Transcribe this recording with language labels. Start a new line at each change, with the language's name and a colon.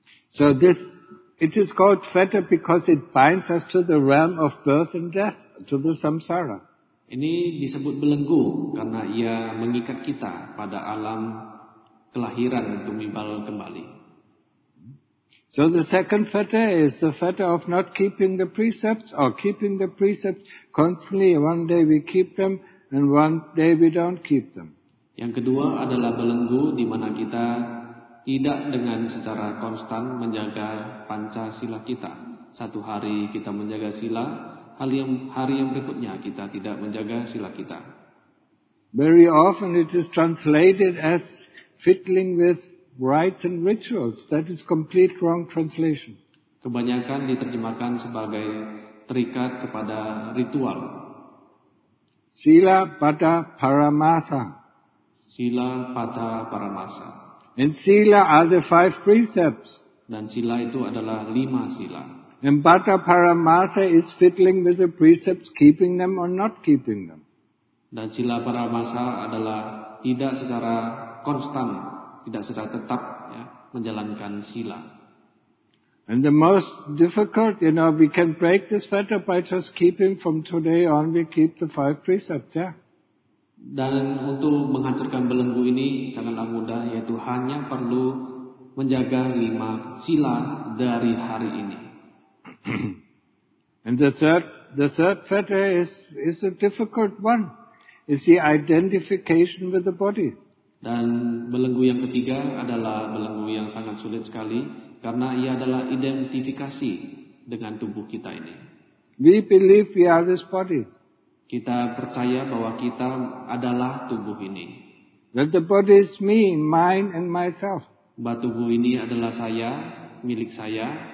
English: So this, it is called fetter because it binds us to the realm of birth and death, to the samsara.
Indonesian: Ini disebut belenggu karena ia mengikat kita pada alam kelahiran tumibal kembali.
English: So the second fetter is the fetter of not keeping the precepts or keeping the precepts constantly. One day we keep them and one day we don't keep them.
Indonesian: Yang kedua adalah belenggu di mana kita tidak dengan secara konstan menjaga panca sila kita. Satu hari kita menjaga sila, hari yang berikutnya kita tidak menjaga sila kita.
English: Very often it is translated as fiddling with rites and rituals. That is complete wrong translation.
Indonesian: Kebanyakan diterjemahkan sebagai terikat kepada ritual.
Pali: Sila pada paramasa. Sila pada paramasa.
English: And sila are the five precepts.
Indonesian: Dan sila itu adalah lima sila.
English: Embata Paramasa is fiddling with the precepts, keeping them or not keeping them.
Indonesian: Dan sila paramasa adalah tidak secara konstan, tidak secara tetap ya, menjalankan sila.
English: And the most difficult, you know, we can break this fetter by just keeping from today on, we keep the five precepts, yeah.
Indonesian: Dan untuk menghancurkan belenggu ini sangatlah mudah, yaitu hanya perlu menjaga lima sila dari hari ini.
English: And the third fetter is a difficult one. Is the identification with the body.
Indonesian: Dan belenggu yang ketiga adalah belenggu yang sangat sulit sekali, karena ia adalah identifikasi dengan tubuh kita ini.
English: We believe we are this body.
Indonesian: Kita percaya bahwa kita adalah tubuh ini.
English: That the body is me, mine and myself.
Indonesian: Bahwa tubuh ini adalah saya, milik saya.